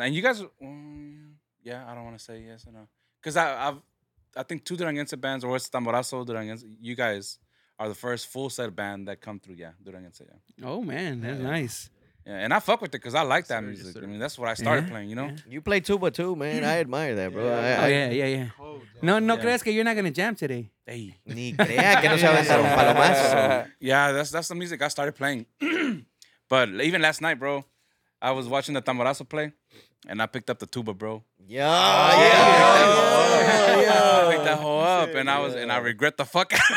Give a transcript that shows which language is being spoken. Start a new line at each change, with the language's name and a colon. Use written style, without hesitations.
English: And you guys, I don't want to say yes or no. Because I think two Duranguense bands, or it's Tamborazo Duranguense, you guys... are the first full-set band that come through, Duranguense, Oh, man, that's nice. Yeah, and I fuck with it because I like that music. Sir. I mean, that's what I started playing, you know? Yeah. You play tuba too, man. I admire that, bro. Yeah. Yeah.
Spanish: No crees que
English: you're not going to jam today. Hey.
Spanish: Ni crea que no se va a aventar un palomazo.
English: Yeah, that's the music I started playing. But even last night, bro, I was watching the Tamborazo play, and I picked up the tuba, bro. Yeah. I picked that hoe up, and I regret the fuck.